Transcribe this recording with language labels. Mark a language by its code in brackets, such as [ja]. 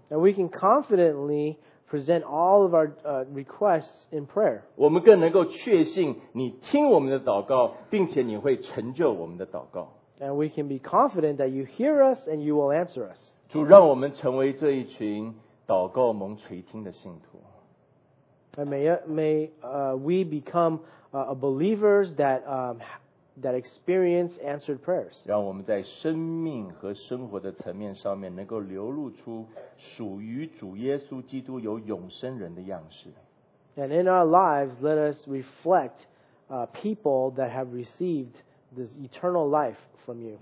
[en] And we can confidently present all of our requests in prayer. [zh] 我们更能够确信你听我们的祷告，并且你会成就我们的祷告。 [en] And we can be confident that you hear us and you will answer us. [zh] 主，让我们成为这一群祷告蒙垂听的信徒。 [en] And may we become believers that experience answered prayers. [zh] 让我们在生命和生活的层面上面能够流露出属于主耶稣基督有永生人的样式。 [en] And in our lives, let us reflect people that have received this eternal life from you.